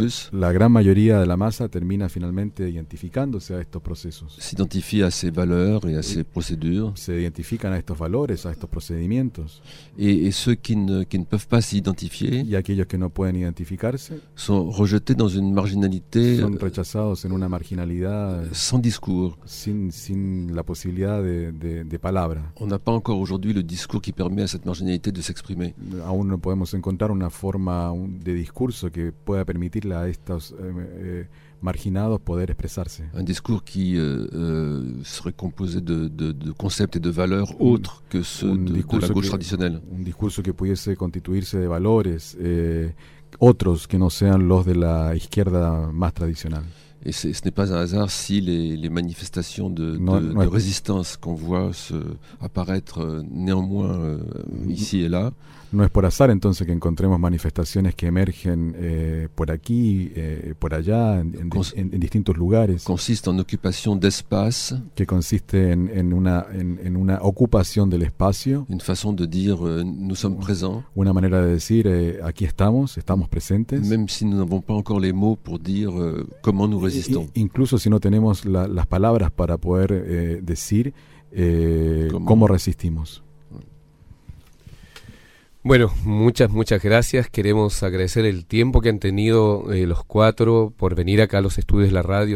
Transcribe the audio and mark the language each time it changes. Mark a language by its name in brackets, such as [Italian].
[Spanish] La gran mayoría de la masa termina finalmente identificándose a estos procesos. [French] S'identifie à ces valeurs et à ces procédures. [Spanish] Se identifican a estos valores, a estos procedimientos. [French] Et ceux qui ne peuvent pas s'identifier. [Spanish] Y aquellos que no pueden identificarse. [French] Sont rejetés dans une marginalité. [Spanish] Son rechazados en una marginalidad. [French] Sans discours. [Spanish] Sin la posibilidad de palabra. [French] On n'a pas encore aujourd'hui le discours qui permet à cette marginalité de s'exprimer. [Spanish] Aún no podemos encontrar una forma de discurso que pueda permitirle a estos marginados poder expresarse. [French] Un discours qui serait composé de concepts et de valeurs autres que ceux de la gauche traditionnelle. [Spanish] Un discurso que pudiese constituirse de valores otros que no sean los de la izquierda más tradicional. [French] Et ce n'est pas un hasard si les manifestations de résistance qu'on voit se apparaître néanmoins ici et là. [Spanish] No es por azar entonces que encontremos manifestaciones que emergen por aquí, por allá, en distintos lugares. Consiste en ocupación de espacio. Que consiste en una ocupación del espacio. [French] Une façon de dire nous sommes présents. [Spanish] Una manera de decir aquí estamos presentes. [French] Même si nous n'avons pas encore les mots pour dire comment nous résistons. [Spanish] Incluso si no tenemos las palabras para poder decir cómo resistimos. Bueno, muchas, muchas gracias. Queremos agradecer el tiempo que han tenido los cuatro por venir acá a los estudios de la radio.